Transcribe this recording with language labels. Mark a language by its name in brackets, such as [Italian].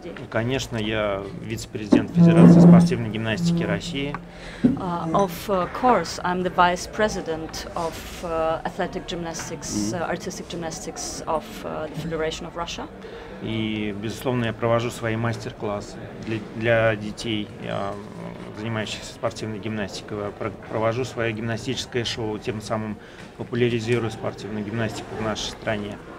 [Russian] Конечно, я вице-президент Федерации спортивной гимнастики России. [English] Of course, I'm the vice president of athletic gymnastics, artistic gymnastics of the Federation of Russia. [Russian] И, безусловно, я провожу свои мастер-классы для детей, занимающихся спортивной гимнастикой. Я провожу свое гимнастическое шоу, тем самым популяризирую спортивную гимнастику в нашей стране.